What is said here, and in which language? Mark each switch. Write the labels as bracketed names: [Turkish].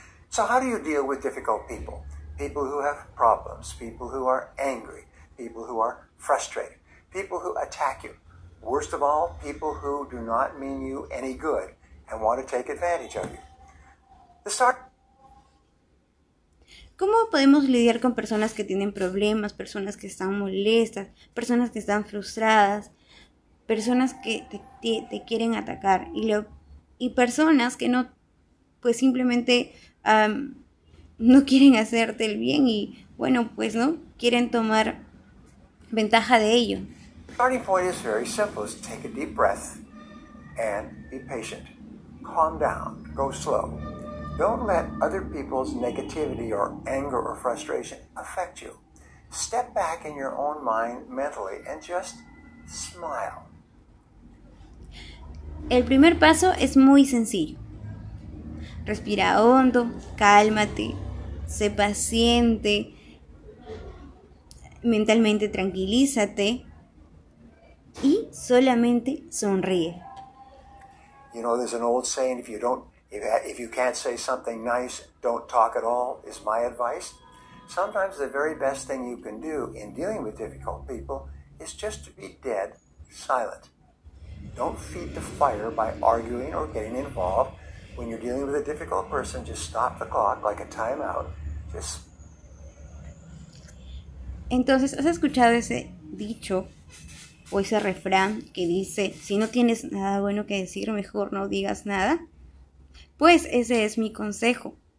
[English] So how do you deal with difficult people? People who have problems, people who are angry, people who are frustrated, people who attack you. Worst of all, people who do not mean you any good and want to take advantage of you. [Spanish] ¿Cómo podemos lidiar con personas que tienen problemas, personas que están molestas, personas que están frustradas, personas que te quieren atacar y personas que no, pues simplemente no quieren hacerte el bien y bueno, pues no, quieren tomar ventaja de ello? [English] The starting point is very simple. It's take a deep breath and be patient. Calm down. Go slow. Don't let other people's negativity or anger or frustration affect you. Step back in your own mind mentally and just smile. [Spanish] El primer paso es muy sencillo. Respira hondo, cálmate, sé paciente, mentalmente tranquilízate y solamente sonríe. [English] You know, there's an old saying, if you can't say something nice, don't talk at all, is my advice. Sometimes the very best thing you can do in dealing with difficult people is just to be dead silent. Don't feed the fire by arguing or getting involved. When you're dealing with a difficult person, just stop the clock like a timeout. Just. [Spanish] Entonces, ¿has escuchado ese dicho o ese refrán que dice, si no tienes nada bueno que decir, mejor no digas nada? Pues ese es mi consejo.